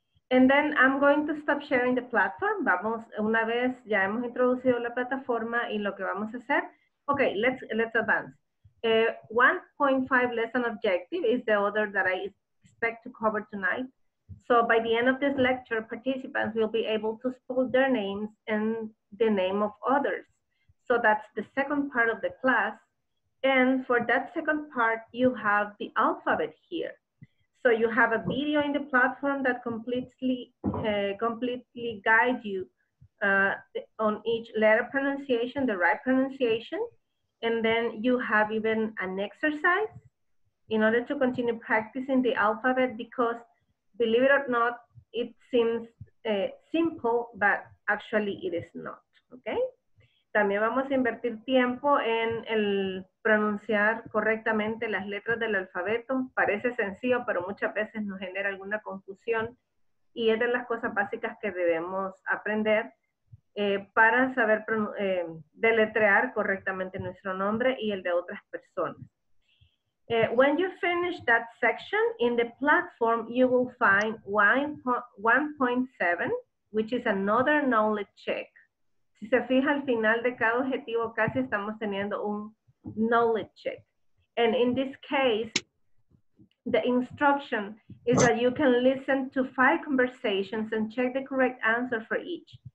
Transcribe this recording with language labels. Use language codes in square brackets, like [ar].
[en] And then I'm going to stop sharing the platform. [es] Vamos, una vez ya hemos introducido la plataforma y lo que vamos a hacer. [en] Okay, let's advance. 1.5 lesson objective is the order that I expect to cover tonight. So by the end of this lecture, participants will be able to spell their names and the name of others. So that's the second part of the class. And for that second part, you have the alphabet here. So you have a video in the platform that completely guides you on each letter pronunciation, the right pronunciation. And then you have even an exercise in order to continue practicing the alphabet, because believe it or not, it seems simple, but actually it is not, okay? [es] También vamos a invertir tiempo en el pronunciar correctamente las letras del alfabeto. Parece sencillo, pero muchas veces nos genera alguna confusión. Y es de las cosas básicas que debemos aprender para saber deletrear correctamente nuestro nombre y el de otras personas. [en] When you finish that section in the platform, you will find 1.7, which is another knowledge check. [es] Si se fija, al final de cada objetivo casi estamos teniendo un knowledge check. [en] And in this case, the instruction is that you can listen to 5 conversations and check the correct answer for each.